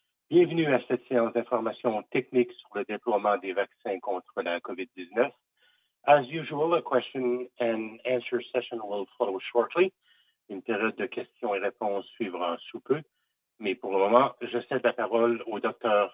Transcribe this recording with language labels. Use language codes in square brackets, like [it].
[fr] Bienvenue à cette séance d'information technique sur le déploiement des vaccins contre la COVID-19. [en] As usual, a question and answer session will follow shortly. [fr] Une période de questions et réponses suivra sous peu. Mais pour le moment, je cède la parole au Dr.